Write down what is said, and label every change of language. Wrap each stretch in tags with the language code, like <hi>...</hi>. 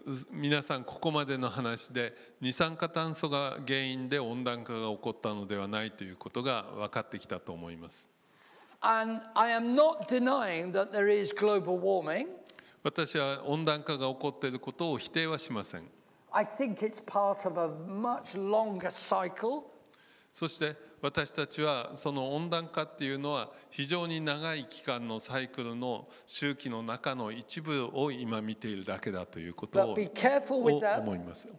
<ja>皆さんここまでの話で二酸化炭素が原因で温暖化が起こったのではないということが分かってきたと思います。</ja> <en>And I am not denying that there is global warming.</en> <ja>私は温暖化が起こっていることを否定はしません。</ja> <en>I think it's part of a much longer cycle.</en> <ja>そして私たちはその温暖化っていうのは非常に長い期間のサイクルの周期の中の一部を今見ているだけだということを思います。</ja>